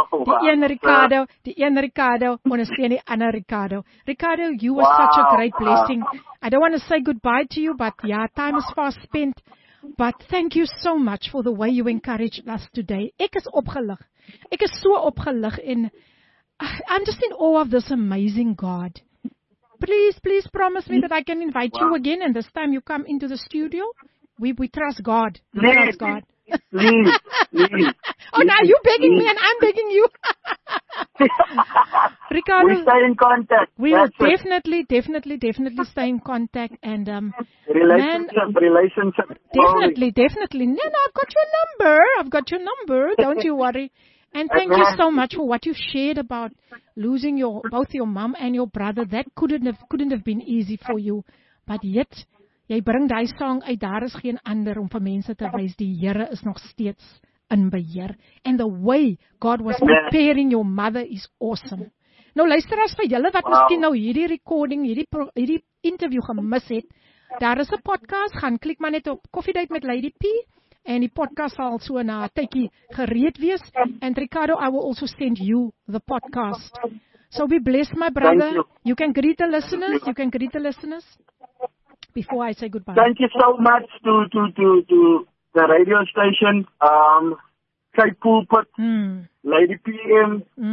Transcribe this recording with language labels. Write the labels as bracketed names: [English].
[Afrikaans] Die een Ricardo, ondersteun die ander Ricardo. [English] Ricardo, you were such a great blessing. I don't want to say goodbye to you, but yeah, time is fast spent. But thank you so much for the way you encouraged us today. [Afrikaans] Ek is opgelig. Ek is so opgelig en [English] I'm just in awe of this amazing God. Please promise me that I can invite you again, and this time you come into the studio. We trust God. We trust God. Please. Oh, now you're begging me and I'm begging you. Ricardo, we stay in contact. We will definitely stay in contact. And relationship. Definitely. No, I've got your number. Don't you worry. And thank you so much for what you shared about losing both your mom and your brother. That couldn't have been easy for you. But yet, [Afrikaans] jy bring die song uit, daar is geen ander om vir mense te wys, die Here is nog steeds in beheer. [English] And the way God was preparing your mother is awesome. [Afrikaans] Nou luister as vir julle wat miskien nou hierdie recording, hierdie interview gemis het, daar is 'n podcast, gaan klik maar net op Coffee Date met Lady P, en die podcast sal so na 'n tydjie gereed wees. [English] And Ricardo, I will also send you the podcast. So be blessed, my brother. You can greet the listeners. You can greet the listeners. Before I say goodbye. Thank you so much to the radio station, Kay Pulpit, Lady PM.